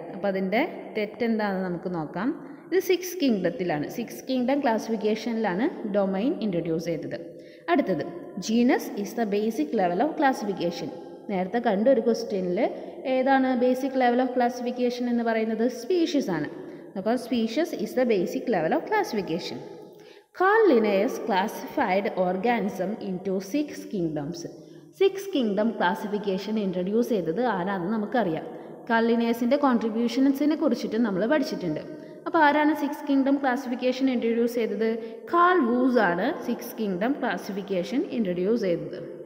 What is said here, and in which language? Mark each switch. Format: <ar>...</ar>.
<ml>അപ്പോൾ അതിൻ്റെ തെറ്റെന്താണെന്ന് നമുക്ക് നോക്കാം. ഇത് six കിങ്ഡത്തിലാണ്, six kingdom ക്ലാസിഫിക്കേഷനിലാണ് domain introduce ചെയ്തത്. അടുത്തത്,</ml> <en>Genus is the basic level of classification.</en> <ml>നേരത്തെ കണ്ട ഒരു ക്വസ്റ്റ്യനിൽ ഏതാണ് ബേസിക് ലെവൽ ഓഫ് ക്ലാസിഫിക്കേഷൻ എന്ന് പറയുന്നത്? സ്പീഷ്യസ് ആണ്. അപ്പോൾ</ml> <en>Species is the basic level of classification. Carl Linnaeus classified organism into six kingdoms.</en> <ml>Six kingdom classification introduce ചെയ്തത് ആരാണെന്ന് നമുക്കറിയാം. കാൾ ലിനിയസിൻ്റെ കോൺട്രിബ്യൂഷൻസിനെ കുറിച്ചിട്ട് നമ്മൾ പഠിച്ചിട്ടുണ്ട്. അപ്പോൾ ആരാണ് സിക്സ് കിങ്ഡം ക്ലാസിഫിക്കേഷൻ ഇൻട്രൊഡ്യൂസ് ചെയ്തത്? കാൾ വൂസ് ആണ് സിക്സ് കിങ്ഡം ക്ലാസിഫിക്കേഷൻ ഇൻട്രൊഡ്യൂസ് ചെയ്തത്.</ml>